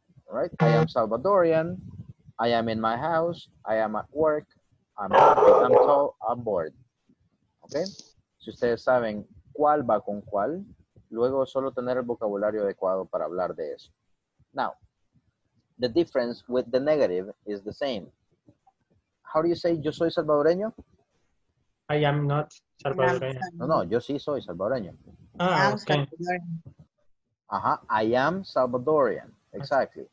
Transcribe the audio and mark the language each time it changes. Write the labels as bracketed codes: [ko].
[en] Right, I am Salvadorian, I am in my house, I am at work, I'm tall, I'm bored. [es] Okay, si ustedes saben cuál va con cuál, luego solo tener el vocabulario adecuado para hablar de eso. [en] Now, the difference with the negative is the same. How do you say [es] yo soy salvadoreño? [en] I am not salvadoreño. [es] No, yo sí soy salvadoreño. Ah, okay. [en] Uh-huh, I am Salvadorian. Exactly.